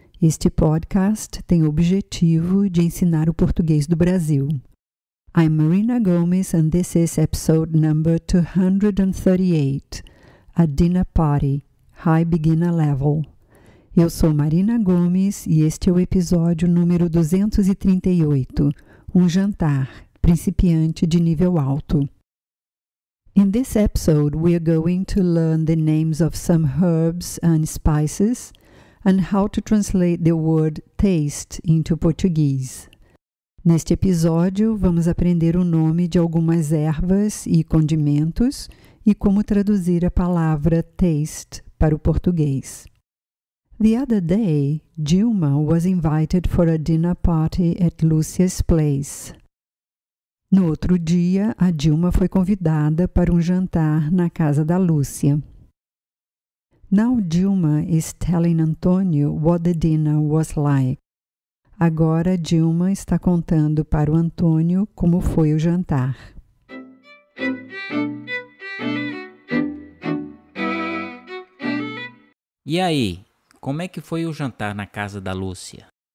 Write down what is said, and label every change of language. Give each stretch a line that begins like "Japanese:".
Portuguese: Este podcast tem o objetivo de ensinar o português do Brasil.
English: I'm Marina Gomes and this is episode number 238, A Dinner Party, High Beginner Level.
Portuguese: Eu sou Marina Gomes e este é o episódio número 238, Um Jantar, Principiante de Nível Alto.
English: In this episode, we are going to learn the names of some herbs and spices and how to translate the word taste into Portuguese.
Portuguese: Neste episódio, vamos aprender o nome de algumas ervas e condimentos e como traduzir a palavra taste para o português.
English: The other day, Dilma was invited for a dinner party at Lucia's place.
Portuguese: No outro dia, a Dilma foi convidada para um jantar na casa da Lúcia.
English: Now Dilma is telling Antonio what the dinner was like.
Portuguese: Agora Dilma está contando para o Antonio como foi o jantar. E aí, como é que foi o jantar na casa da Lúcia?